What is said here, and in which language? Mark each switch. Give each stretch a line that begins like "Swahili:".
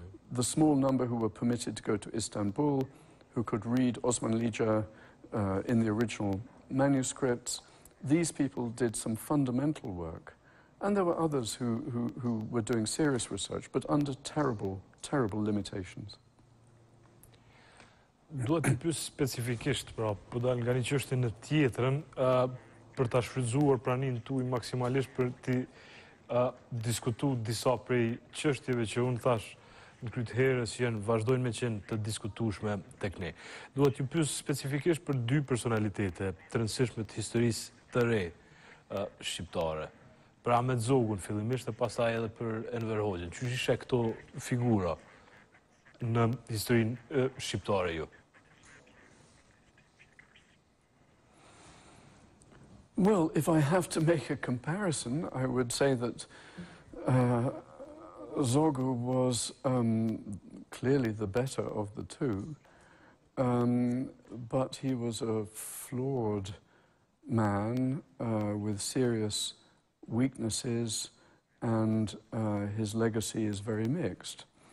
English: The small number who were permitted to go to Istanbul, who could read Osmanlıca in the original manuscripts, these people did some fundamental work. And there were others who were doing serious research, but under terrible, terrible limitations.
Albanian: Dua të pyes specifikisht, pra, po dal nga një çështje në tjetrën, për ta shfrytzuar praninë tuaj maksimalisht për të diskutuar disa prej çështjeve që unë thash në kryetherë që janë vazhdojnë me qenë të diskutueshme tek ne. Dua të pyes specifikisht për dy personalitete të rëndësishme të historisë të re shqiptare. Pra me Zogun fillimisht e pastaj edhe për Enver Hoxhën. Që ishte këto figura në historinë shqiptare ju?
English: Well, if I have to make a comparison, I would say that Zogu was clearly the better of the two, but he was a flawed man with serious weaknesses, and his legacy is very mixed.